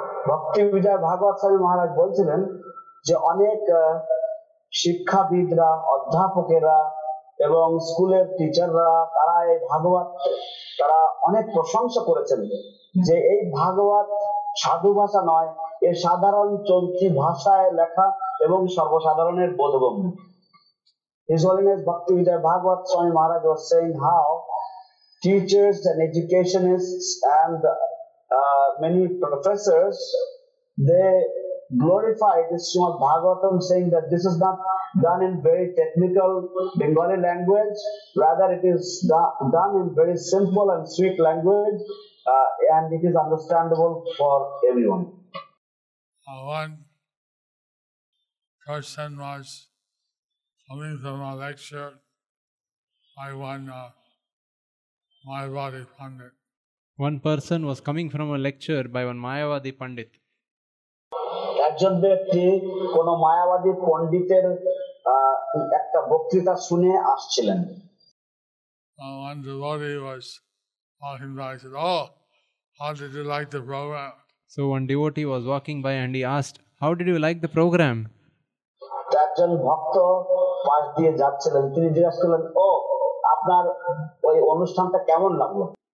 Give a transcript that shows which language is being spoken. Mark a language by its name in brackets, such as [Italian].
[Bangla] ভক্তি বিজয় ভাগবত স্বামী মহারাজ বলছিলেন যে অনেক শিক্ষাবিদরা, অধ্যাপকেরা এবং স্কুলের টিচাররা তারা এই ভাগবত তারা অনেক প্রশংসা করেছেন যে এই ভাগবত সাধু ভাষা নয়, এ সাধারণ চলতি ভাষায় লেখা এবং সর্বসাধারণের বোধগম্য। [English] His Holiness Bhakti Vijay Bhagavat Swami Maharaj was saying how teachers and educationists and many professors, they glorify this Srimad Bhagavatam, saying that this is not done in very technical Bengali language, rather it is done in very simple and sweet language, and it is understandable for everyone. One person was coming from a lecture by Mayavadi Pandit. One person was coming from a lecture by one Mayavadi Pandit. [Bangla] একজন ব্যক্তি কোন মায়াবাদী পণ্ডিতের একটা বক্তৃতা শুনে আসছিলেন। [English] So one devotee was walking by and he asked, how did you like the program? [Bangla] একজন ভক্ত পাশ দিয়ে যাচ্ছিলেন, তিনি জিজ্ঞাসা করলেন, ও আপনার ওই অনুষ্ঠানটা কেমন লাগলো?